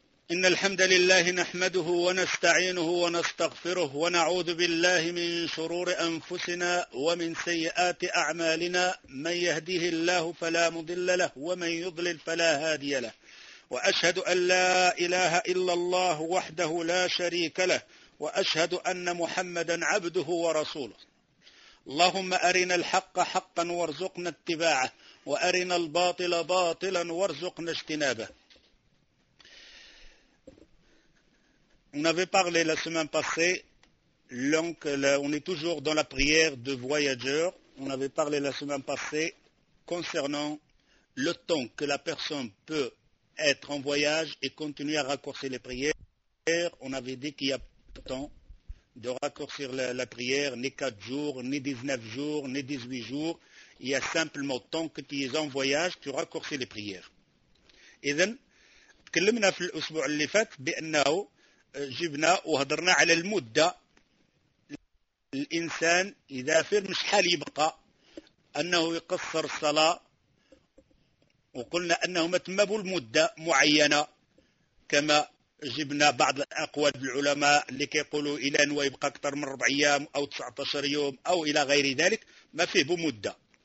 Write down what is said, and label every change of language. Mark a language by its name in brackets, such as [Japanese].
[Arabic] إن الحمد لله نحمده ونستعينه ونستغفره ونعوذ بالله من شرور أنفسنا ومن سيئات أعمالنا، من يهديه الله فلا مضل له ومن يضلل فلا هادي له، وأشهد أن لا إله إلا الله وحده لا شريك له، وأشهد أن محمدا عبده ورسوله. اللهم أرنا الحق حقا وارزقنا اتباعه، وأرنا الباطل باطلا وارزقنا اجتنابه. [French] On avait parlé la semaine passée, on est toujours dans la prière de voyageurs. On avait parlé la semaine passée concernant le temps que la personne peut être en voyage et continuer à raccourcir les prières. On avait dit qu'il y a temps de raccourcir la prière, ni 4 jours, ni 19 jours, ni 18 jours. Il y a simplement temps que tu es en voyage, tu raccourcis les prières. Et donc, [Arabic] تكلمنا في الأسبوع اللي فات بأنه جبنا وهضرنا على المدة الإنسان إذا فر مش حال يبقى أنه يقصر الصلاة، وقلنا أنه متمبوا المدة معينة، كما جبنا بعض أقوال العلماء اللي كيقولوا إلى أنه يبقى أكثر من 4 أيام أو 19 يوم أو إلى غير ذلك، ما فيه بمدة.